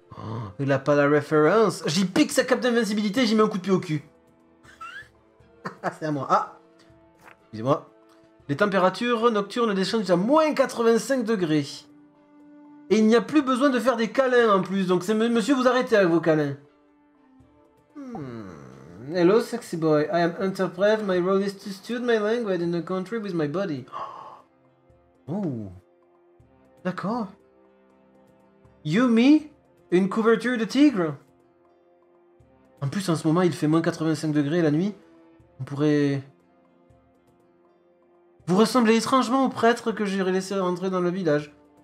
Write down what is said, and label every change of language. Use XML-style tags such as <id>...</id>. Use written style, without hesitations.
<fr>Oh, il a pas la référence. J'y pique sa cape d'invincibilité, j'y mets un coup de pied au cul. C'est à moi. Ah, excusez-moi. Les températures nocturnes descendent à moins 85 degrés. Et il n'y a plus besoin de faire des câlins en plus. Donc c'est monsieur, vous arrêtez avec vos câlins.</fr> <en>Hello, sexy boy. I am interpret. My role is to study my language in the country with my body.</en> <fr>Oh. D'accord.</fr> <en>You, me,</en> <fr>une couverture de tigre. En plus, en ce moment, il fait moins 85 degrés la nuit. On pourrait... Vous ressemblez étrangement au prêtre que j'ai laissé rentrer dans le village.</fr>